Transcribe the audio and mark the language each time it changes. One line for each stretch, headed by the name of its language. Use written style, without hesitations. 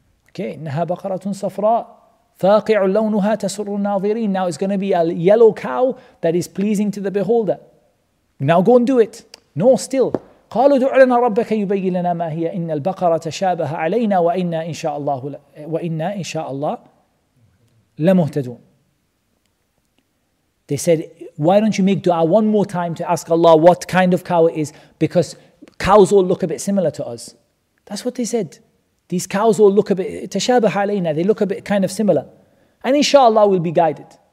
Arabic: Okay, إِنَّهَا بَقَرَةٌ صَفْرَاء فاقع لونها تسر الناظرين.
English: Now it's going to be a yellow cow that is pleasing to the beholder. Now go and do it. No, still.
Arabic: قالوا دع لنا ربك يبين لنا ما هي إن البقرة تشابه علينا وإنا إن شاء الله وإنا إن شاء الله لمهتدون.
English: They said, why don't you make dua one more time to ask Allah what kind of cow it is, because cows all look a bit similar to us. That's what they said. These cows all look a bit
Arabic: تشابه علينا.
English: They look a bit kind of similar. And inshallah we'll be guided.